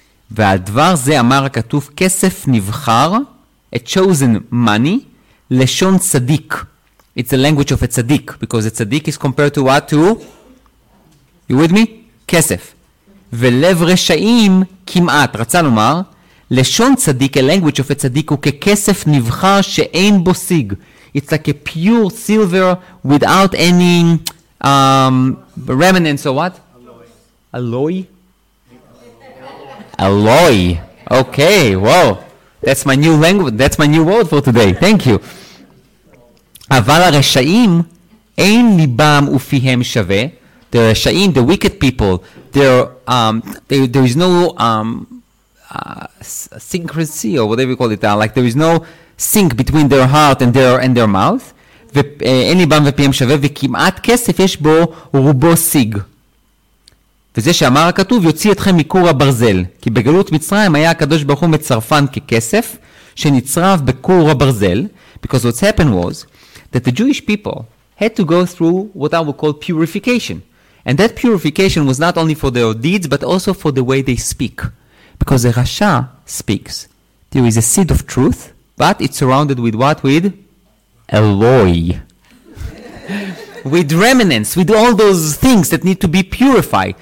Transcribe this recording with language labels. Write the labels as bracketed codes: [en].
[he] ועל דבר זה אמר הכתוב כסף נבחר, [en] a chosen money, [he] לשון צדיק. [en] It's the language of a צדיק, because a צדיק is compared to what to? You with me? כסף. [he] ולב רשעים כמעט, רצה לומר, לשון צדיק, [en] a language of a צדיק, [he] הוא ככסף נבחר שאין בו סיג. [en] It's like a pure silver without any remnants or what? Alloy. Alloy. Okay, wow. That's my new language. That's my new word for today. Thank you. [he] אבל הרשעים אין ליבם ופיהם שווה. [en] The רשעים, the wicked people, there is no synchrony or whatever you call it. Like there is no sync between their heart and their mouth. [he] ואין ליבם ופיהם שווה וכמעט כסף יש בו רובו סיג. וזה שאמר הכתוב, יוציא אתכם מכור הברזל. כי בגלות מצרים היה הקדוש ברוך הוא מצרפן ככסף, שנצרף בכור הברזל. [en] Because what's happened was, that the Jewish people had to go through what I would call purification. And that purification was not only for their deeds, but also for the way they speak. Because the Rasha speaks. There is a seed of truth, but it's surrounded with what? With alloy. With remnants, with all those things that need to be purified.